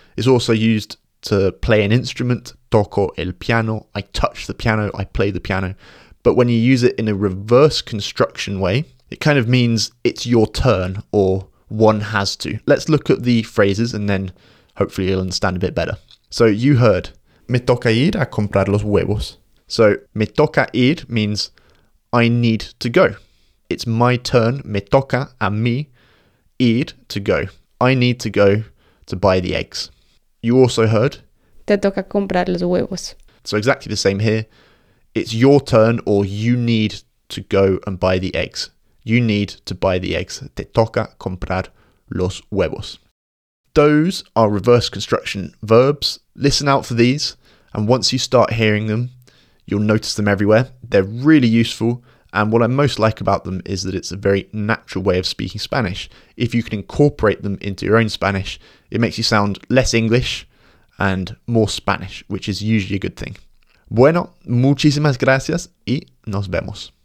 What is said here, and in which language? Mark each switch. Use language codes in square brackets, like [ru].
[en] It's also used to play an instrument, [es] toco el piano, [en] I touch the piano, I play the piano. But when you use it in a reverse construction way, it kind of means it's your turn or one has to. Let's look at the phrases and then hopefully you'll understand a bit better. So you heard, [es] me toca ir a comprar los huevos. [en] So [es] me toca ir [en] means I need to go. It's my turn, [es] me toca a mí ir [en] to go. I need to go to buy the eggs. You also heard, [es] te toca comprar los huevos. [en] So exactly the same here. It's your turn or you need to go and buy the eggs. You need to buy the eggs. [es] Te toca comprar los huevos. [en] Those are reverse construction verbs. Listen out for these. And once you start hearing them, you'll notice them everywhere. They're really useful. And what I most like about them is that it's a very natural way of speaking Spanish. If you can incorporate them into your own Spanish, it makes you sound less English and more Spanish, which is usually a good thing. [es] Bueno, muchísimas gracias y nos vemos.